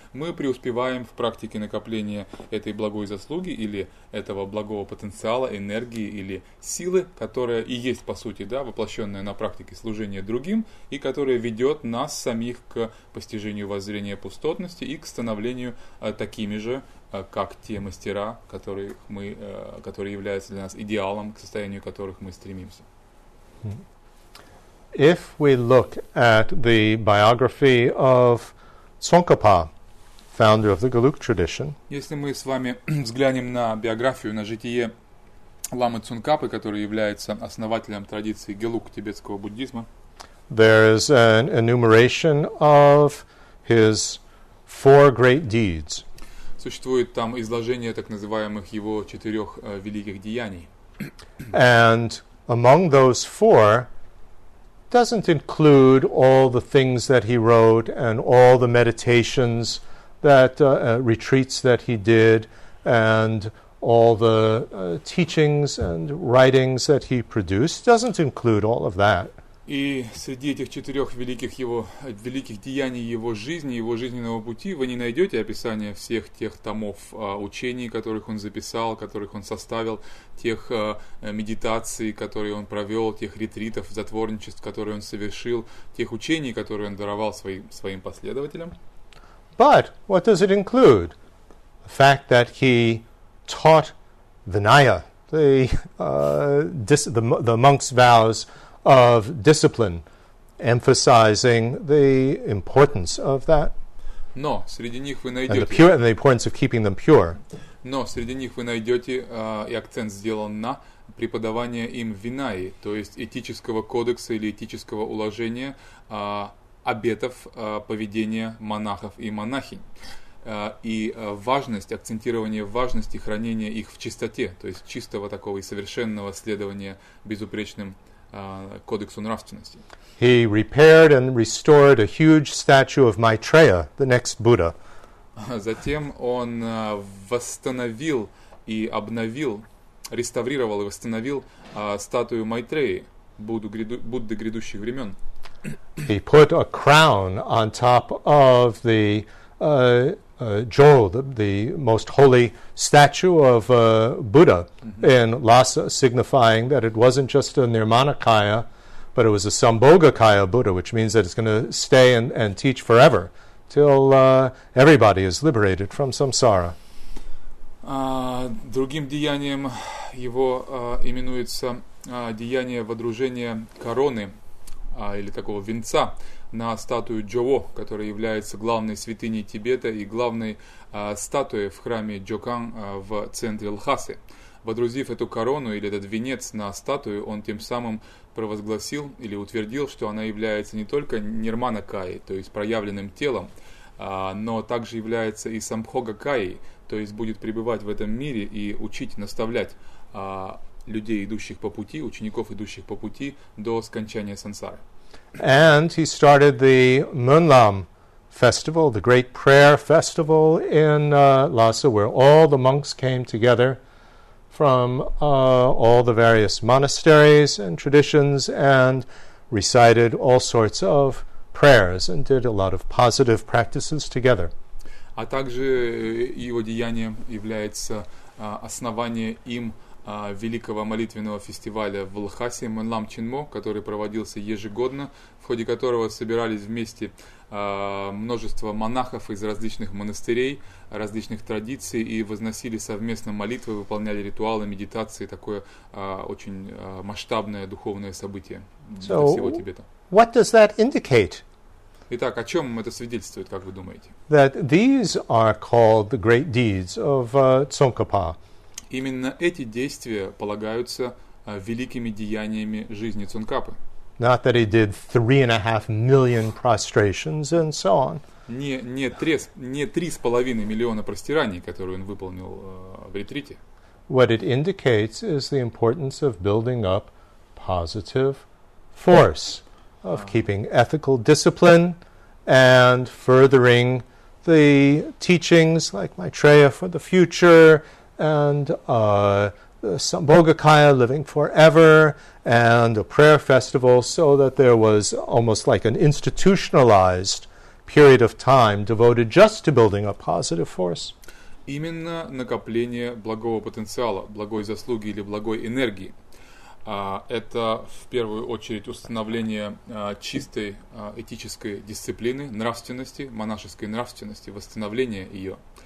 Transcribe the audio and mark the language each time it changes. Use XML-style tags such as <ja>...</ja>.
<ru>мы преуспеваем в практике накопления этой благой заслуги или этого благого потенциала, энергии или силы, которая и есть, по сути, да, воплощенная на практике служения другим и которая ведет нас самих к постижению воззрения пустотности и к становлению такими же, как те мастера, которые являются для нас идеалом, к состоянию которых мы стремимся.</ru> <en>If we look at the biography of Tsongkhapa, founder of the Galuk tradition,</en> <ru>если мы с вами взглянем на биографию, на житие ламы Цункапы, который является основателем традиции Гелук тибетского буддизма,</ru> <en>there is an enumeration of his four great deeds.</en> <ru>Существует там изложение так называемых его четырех великих деяний.</ru> <en>And among those four doesn't include all the things that he wrote and all the meditations that retreats that he did and all the teachings and writings that he produced doesn't include all of that.</en> <ru>И среди этих четырех великих деяний его жизни, его жизненного пути, вы не найдете описания всех тех томов учений, которых он записал, которых он составил, тех медитаций, которые он провел, тех ретритов, затворничеств, которые он совершил, тех учений, которые он даровал своим последователям.</ru> <en>But what does it include? The fact that he taught Vinaya, the monk's vows of discipline, emphasizing the importance of that.</en> <ru>Но среди них вы найдете.</ru> <en>And the pure, and the importance of keeping them pure.</en> <ru>Но среди них вы найдете и акцент сделан на преподавание им винаи, то есть этического кодекса или этического уложения обетов поведения монахов и монахинь и важность акцентирование важности хранения их в чистоте, то есть чистого такого и совершенного следования безупречным кодексу нравственности.</ru> <en>He repaired and restored a huge statue of Maitreya, the next Buddha.</en> <ru>Затем он восстановил и обновил, реставрировал и восстановил статую Майтреи, Будды грядущих времен.</ru> <en>He put a crown on top of the Jol, the most holy statue of Buddha in Lhasa, signifying that it wasn't just a Nirmanakaya, but it was a Sambhogakaya Buddha, which means that it's going to stay and teach forever till everybody is liberated from samsara.</en> <ru>Другим деянием его именуется деяние водружения короны или такого венца на статую Джово, которая является главной святыней Тибета и главной статуей в храме Джокан в центре Лхасы. Водрузив эту корону или этот венец на статую, он тем самым провозгласил или утвердил, что она является не только Нирманакаей, то есть проявленным телом, но также является и Самбхогакаей, то есть будет пребывать в этом мире и учить, наставлять людей, идущих по пути, учеников, идущих по пути до скончания сансары.</ru> <en>And he started the Munlam festival, the great prayer festival in Lhasa, where all the monks came together from all the various monasteries and traditions and recited all sorts of prayers and did a lot of positive practices together.</en> <ru>А также его деянием является основание им великого молитвенного фестиваля в Лхасе Мунлам Чинмо, который проводился ежегодно, в ходе которого собирались вместе множество монахов из различных монастырей, различных традиций и возносили совместно молитвы, выполняли ритуалы, медитации, такое очень масштабное духовное событие для всего Тибета.</ru> <en>What does that indicate?</en> <ru>Итак, о чем это свидетельствует, как вы думаете?</ru> <en>That these are called the great deeds of Tsongkhapa.</en> <ru>Именно эти действия полагаются великими деяниями жизни Цонкапы.</ru> <en>Not that he did 3.5 million prostrations and so on.</en> <ru>Не 3.5 миллиона простираний, которые он выполнил в ретрите.</ru> <en>What it indicates is the importance of building up positive force, of keeping ethical discipline and furthering the teachings like Maitreya for the future and Sambhogakaya living forever and a prayer festival, so that there was almost like an institutionalized period of time devoted just to building a positive force.</en> <ru>Именно накопление благого потенциала, благой заслуги или благой энергии. Это в первую очередь установление чистой этической дисциплины, нравственности, монашеской нравственности, восстановление ее.</ru>